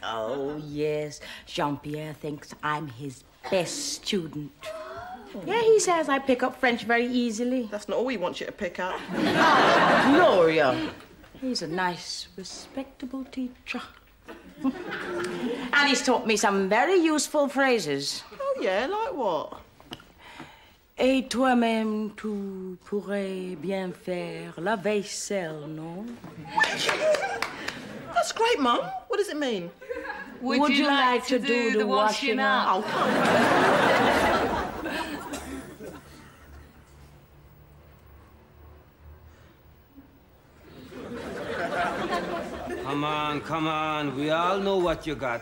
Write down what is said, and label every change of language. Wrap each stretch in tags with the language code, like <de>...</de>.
<en>Oh, yes. Jean-Pierre thinks I'm his best student. Yeah, he says I pick up French very easily. That's not all he wants you to pick up. Gloria. He's a nice, respectable teacher. And he's taught me some very useful phrases. Oh, yeah? Like what?</en> <fr>Et toi-même, tu pourrais bien faire la vaisselle, non?</fr> <en>That's great, Mum. What does it mean? Would you like to do the washing up? Oh, come on. Come on, come on. We all know what you got.</en>